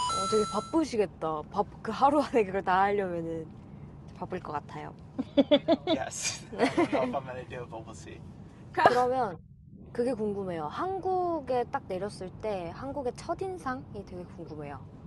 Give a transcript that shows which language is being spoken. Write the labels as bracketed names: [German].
[Korean] 되게 바쁘시겠다. 그 하루 안에 그걸 다 하려면은. 바쁠 것 같아요. [English] Yes. I don't know if I'm going to do it, but we'll see. [Korean] 그러면 그게 궁금해요. 한국에 딱 내렸을 때 한국의 첫인상이 되게 궁금해요.